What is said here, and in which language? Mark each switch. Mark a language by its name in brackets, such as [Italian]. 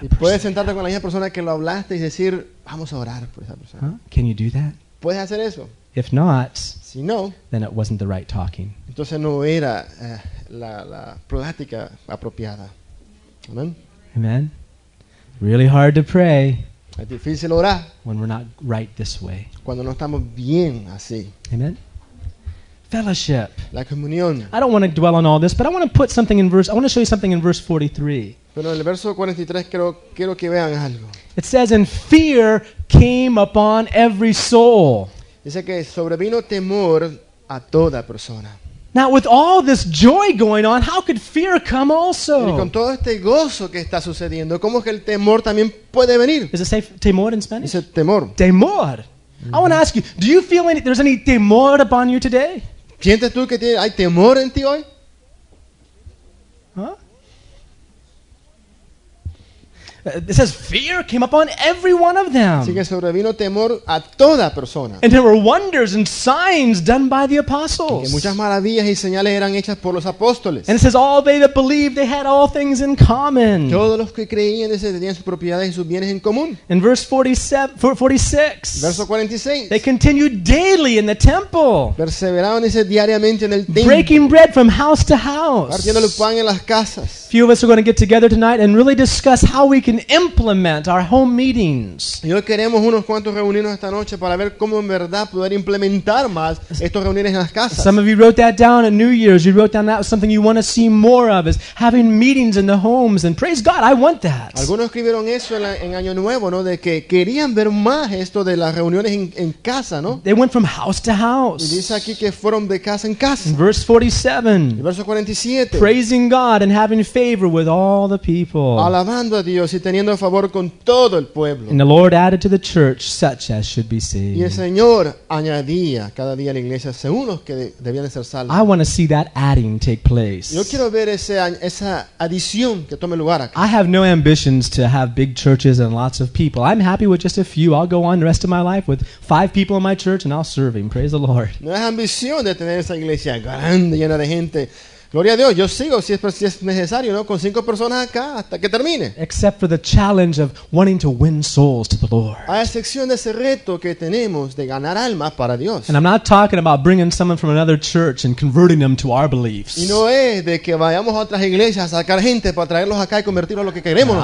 [English] person? [Spanish] ¿Puedes sentarte con la misma persona que lo hablaste y decir, vamos a orar por esa persona? [English] Huh? Can you do that? [Spanish] ¿Puedes hacer eso? [English] If not, [Spanish] si no, [English] then it wasn't the right talking. [Spanish] Entonces no era la plática apropiada. Amén. [English] Amen. Really hard to pray. [Spanish] Es difícil orar. [English] When we're not right this way. [Spanish] Cuando no estamos bien así. [English] Amen. Fellowship. [Spanish] La comunión. [English] I don't want to dwell on all this, but I want to put something in verse. I want to show you something in verse 43. [Spanish] Pero en el verso 43 quiero que vean algo. [English] It says, "And fear came upon every soul." [Spanish] Dice que sobrevino temor a toda persona. [English] Now with all this joy going on, how could fear come also? [Spanish] Y con todo este gozo que está sucediendo, ¿cómo es que el temor también puede venir? [English] Is it say temor in Spanish? [Spanish] Dice temor. Temor. [English] Mm-hmm. I want to ask you, do you feel there's any temor upon you today? [Spanish] ¿Sientes tú que hay temor en ti hoy? [English] Huh? It says fear came upon every one of them. [Spanish] Así que sobrevino temor a toda persona. [English] And there were wonders and signs done by the apostles. [Spanish] Y que muchas maravillas y señales eran hechas por los apóstoles. [English] And it says all they that believed they had all things in common. [Spanish] Todos los que creían dice, tenían sus propiedades y sus bienes en común. [English] In verse 46. [Spanish] Verso 46. [English] They continued daily in the temple. [Spanish] Perseveraban dice, diariamente en el templo. [English] Breaking bread from house to house. [Spanish] Partiendo el pan en las casas. [English] Few of us are going to get together tonight and really discuss how we can implement our home meetings. [Spanish] Y hoy queremos unos cuantos reunirnos esta noche para ver cómo en verdad poder implementar más estos reuniones en las casas. [English] Some of you wrote that down at New Year's. You wrote down that was something you want to see more of is having meetings in the homes. And praise God, I want that. [Spanish] Algunos escribieron eso en Año Nuevo, ¿no? De que querían ver más esto de las reuniones en casa, ¿no? [English] They went from house to house. [Spanish] Y dice aquí que fueron de casa en casa. Verso 47. [English] Praising God and having favor with all the people. [Spanish] Alabando a Dios y teniendo favor con todo el pueblo. [English] And the Lord added to the church such as should be saved. [Spanish] Y el Señor añadía cada día a la iglesia según los que debían ser salvos. [English] I want to see that adding take place. [Spanish] Yo quiero ver esa adición que tome lugar acá. [English] I have no ambitions to have big churches and lots of people. I'm happy with just a few. I'll go on the rest of my life with 5 people in my church and I'll serve him. Praise the Lord. [Spanish] No es ambición de tener esa iglesia grande llena de gente. Gloria a Dios, yo sigo si es necesario, ¿no? Con 5 personas acá hasta que termine. [English] Except for the challenge of wanting to win souls to the Lord. [Spanish] A excepción de ese reto que tenemos de ganar almas para Dios. [English] And I'm not talking about bringing someone from another church and converting them to our beliefs. [Spanish] Y no es de que vayamos a otras iglesias a sacar gente para traerlos acá y convertirlos a lo que queremos.